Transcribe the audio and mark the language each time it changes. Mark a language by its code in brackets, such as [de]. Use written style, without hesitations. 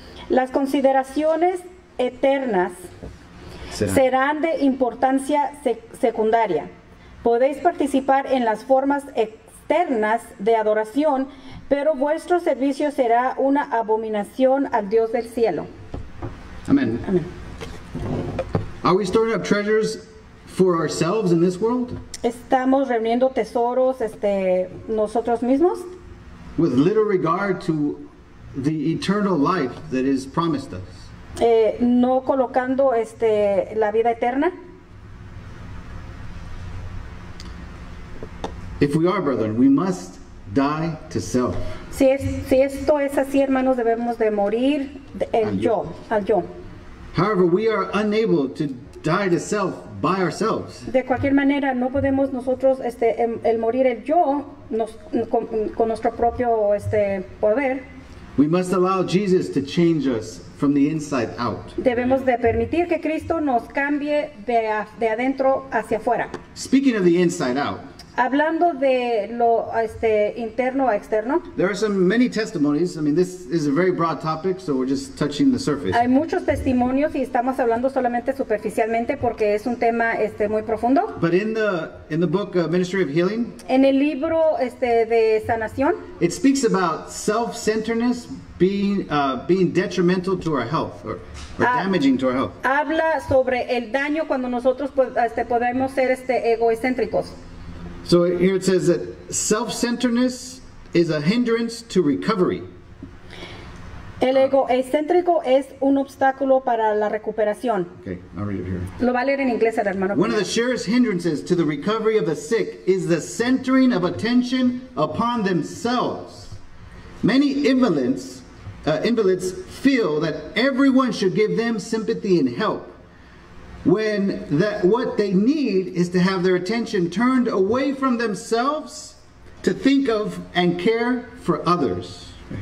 [es] Las consideraciones eternas serán de importancia secundaria. Podéis participar en las formas externas de adoración, pero vuestro servicio será una abominación al Dios del cielo. Amén. Amén. [en] Are we storing up treasures for ourselves in this world? [es] Estamos reuniendo tesoros, nosotros mismos? [en] With little regard to the eternal life that is promised us. [es] No colocando la vida eterna. [en] If we are, brethren, we must die to self. [es] Si esto es así, hermanos, debemos de morir al yo. [en] However, we are unable to die to self by ourselves. [es] De cualquier manera, no podemos nosotros el morir el yo con nuestro propio poder. [en] We must allow Jesus to change us from the inside out. [es] Debemos de permitir que Cristo nos cambie de adentro hacia afuera. [en] Speaking of the inside out. [es] Hablando de lo interno a externo. [en] There are many testimonies. I mean, this is a very broad topic, so we're just touching the surface. [es] Hay muchos testimonios y estamos hablando solamente superficialmente porque es un tema muy profundo. [en] But in the book Ministry of Healing. [es] En el libro de sanación. [en] It speaks about self-centeredness being detrimental to our health or damaging to our health. [es] Habla sobre el daño cuando nosotros podemos ser egocéntricos. [en] So here it says that self-centeredness is a hindrance to recovery. [es] El egocéntrico es un obstáculo para la recuperación. [en] Okay, I'll read it here. [es] Lo va a leer en inglés, hermano. [en] One of the surest hindrances to the recovery of the sick is the centering of attention upon themselves. Many invalids feel that everyone should give them sympathy and help, when that what they need is to have their attention turned away from themselves to think of and care for others.